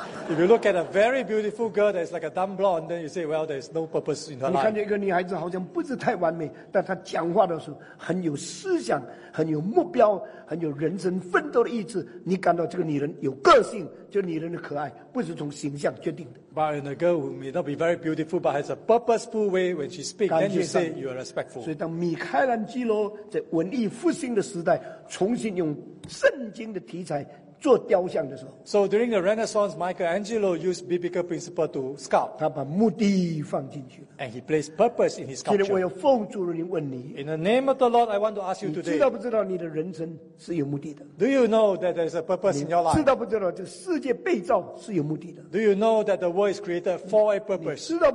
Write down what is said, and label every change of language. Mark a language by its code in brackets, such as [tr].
[en] If you look at a very beautiful girl that is like a dumb blonde, then you say, well, there is no purpose in her life. [zh] 你看见一个女孩子好像不是太完美，但她讲话的时候很有思想、很有目标、很有人生奋斗的意志。你感到这个女人有个性，就女人的可爱，不是从形象决定的。 [en] But in a girl who may not be very beautiful, but has a purposeful way when she speaks, then you say you are respectful. [zh] 所以当米开朗基罗在文艺复兴的时代重新用圣经的题材做雕像的时候，So [en] during the Renaissance, Michelangelo used biblical principle to sculpt. [zh] 他把目的放进去了。And [en] he placed purpose in his sculpture. [zh] 今天我要奉主的名问你。In [en] the name of the Lord, I want to ask you today. [zh] 你知道不知道你的人生是有目的的？Do [en] you know that there is a purpose in your life? [zh] 知道不知道这世界被造是有目的的？Do [en] you know that the world is created for a purpose?